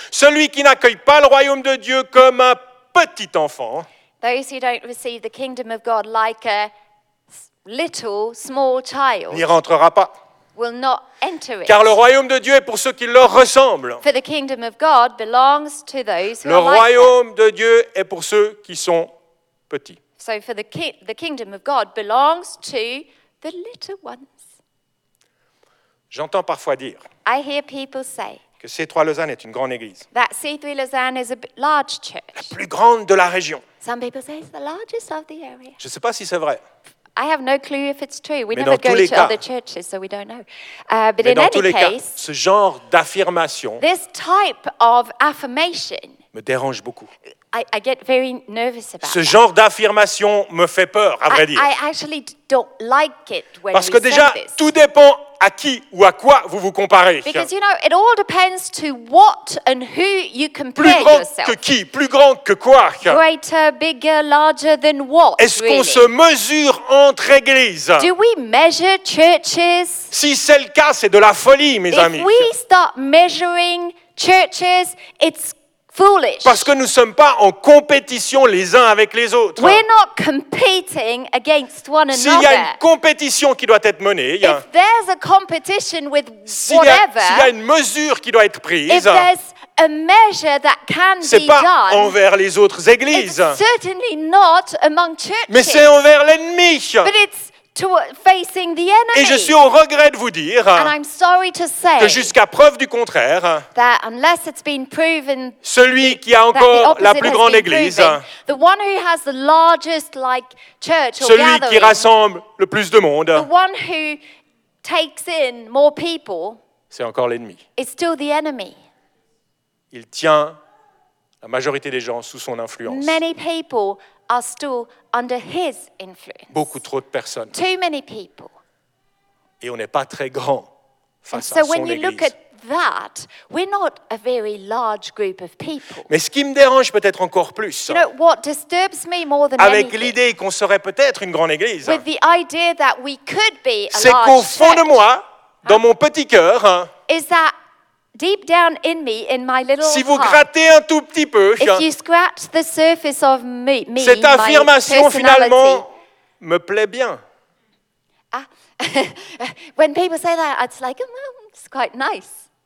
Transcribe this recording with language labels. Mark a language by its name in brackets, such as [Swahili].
[French] Celui qui n'accueille pas le royaume de Dieu comme un petit enfant, [English] those who don't receive the kingdom of God like a little, small child, [French] n'y rentrera pas. [English] Will not enter it. [French] Car le royaume de Dieu est pour ceux qui leur ressemblent. [English] For the kingdom of God belongs to those who [French] le [English] are [French] royaume [English] like [French] de Dieu est pour ceux qui sont petits. [English] So for the kingdom of God belongs to the little ones. [French] J'entends parfois dire [English] I hear people say [French] que C3 Lausanne est une grande église. [English] That C3 Lausanne is a large church. [French] La plus grande de la région. [English] Some people say it's the largest of the area. [French] Je ne sais pas si c'est vrai. [English] I have no clue if it's true. We [French] Mais [English] never go to [French] cas, [English] other churches, so we don't know. But [French] Mais [English] in any case, [French] cas, ce genre d'affirmation [English] this type of affirmation [French] me dérange beaucoup. [English] I get very nervous about [French] ce [English] that. [French] Genre d'affirmation me fait peur, à vrai dire. [English] I actually don't like it when we say this. [French] Parce que déjà, tout dépend à qui ou à quoi vous vous comparez. [English] Because, you know, it all depends to what and who you compare yourself. [French] Plus grand que qui, plus grand que quoi. [English] Greater, bigger, larger than what, [French] Est-ce [English] really? [French] Qu'on se mesure entre églises? [English] Do we measure churches? [French] Si c'est le cas, c'est de la folie, mes [English] If [French] amis. [English] If we start measuring churches, it's foolish. [French] Parce que nous ne sommes pas en compétition les uns avec les autres. [English] We're not competing against one another. [French] S'il y a une compétition qui doit être menée, [English] if there's a competition with whatever, [French] s'il y a une mesure qui doit être prise, [English] if there's a measure that can be done, [French] c'est pas envers les autres églises. [English] It's certainly not among churches. [French] Mais c'est envers l'ennemi. [English] But it's to facing the enemy. [French] Et je suis au regret de vous dire que jusqu'à preuve du contraire, [English] that unless it's been proven, [French] celui qui a encore la plus grande église, [English] proven, the one who has the largest, like, church or [French] celui [English] gathering, [French] qui rassemble le plus de monde, [English] the one who takes in more people, [French] c'est encore l'ennemi. [English] Is still the enemy. [French] Il tient la majorité des gens sous son influence. [English] Many people are still under his influence. [French] Beaucoup trop de personnes. [English] Too many people. [French] Et on n'est pas très grand face [English] so [French] à son [English] So when you [French] église. [English] Look at that, we're not a very large group of people. [French] Mais ce qui me dérange peut-être encore plus. [English] You know, what disturbs me more than [French] avec [English] anything. [French] Avec l'idée qu'on serait peut-être une grande église. [English] With the idea that we could be a large [French] C'est qu'au fond de moi, dans mon petit cœur, [English] is that deep down in me, in my little [French] si vous [English] heart, [French] grattez un tout petit peu, [English] if you scratch the surface of me, [French] cette [English] my [French] cette affirmation finalement me plaît bien. [English] Ah, when people say that, it's like, oh, it's quite nice.